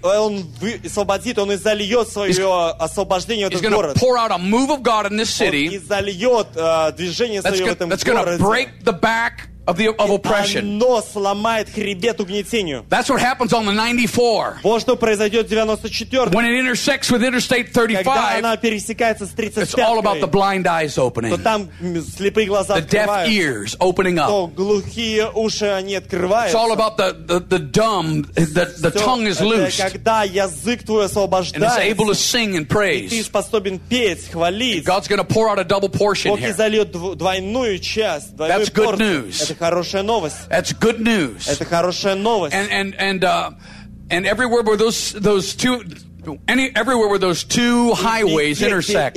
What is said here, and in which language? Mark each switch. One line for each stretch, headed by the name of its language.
Russian: Он освободит, он изольет свое освобождение в этот город.
English: He's going to pour out a move of God in this city.
Russian: Он изольет движение свое в этом городе.
English: That's going to break the back of oppression.
Russian: Оно сломает хребет угнетению.
English: That's what happens on the 94.
Russian: Вот что произойдет в 94.
English: When it intersects with Interstate 35.
Russian: Когда она пересекается с 35.
English: It's all about the blind eyes opening.
Russian: То там слепые глаза открываются.
English: The deaf ears opening up.
Russian: То глухие уши они открываются.
English: It's all about the dumb, the tongue is loosed.
Russian: Когда язык твой освобождается.
English: And it's able to sing and praise.
Russian: И ты способен петь, хвалить.
English: God's going to pour out a double portion here.
Russian: Бог изольет двойную часть, двойную порцию.
English: That's good news.
Russian: Это хорошая новость.
English: That's good news.
Russian: Это хорошая новость.
English: And everywhere where those two highways intersect.